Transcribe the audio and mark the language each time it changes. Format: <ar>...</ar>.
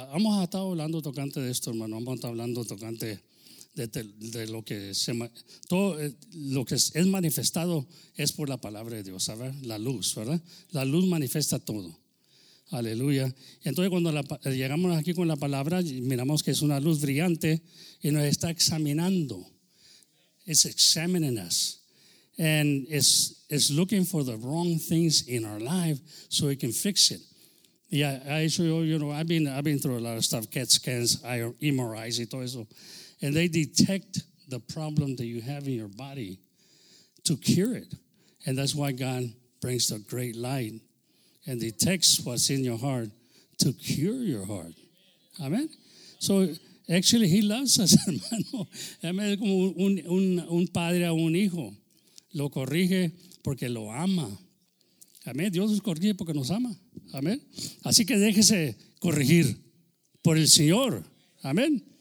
<es>Hemos estado hablando tocante de esto, hermano. Hemos estado hablando tocante de lo que se, todo lo que es manifestado es por la palabra de Dios, ¿sabes? La luz, ¿verdad? La luz manifiesta todo. Aleluya. Entonces cuando llegamos aquí con la palabra, miramos que es una luz brillante y nos está examinando.</es> <en>It's examining us and it's looking for the wrong things in our life so it can fix it. Yeah, I I've been through a lot of stuff, CAT scans, MRIs,</en> <es>y todo eso.</es> <en>And they detect the problem that you have in your body to cure it. And that's why God brings the great light and detects what's in your heart to cure your heart. Amen? So, actually, he loves us, hermano.</en> <es>Es como un padre a un hijo. Lo corrige porque lo ama. Amén. Dios nos corrige porque nos ama. Amén. Así que déjese corregir por el Señor. Amén.</es>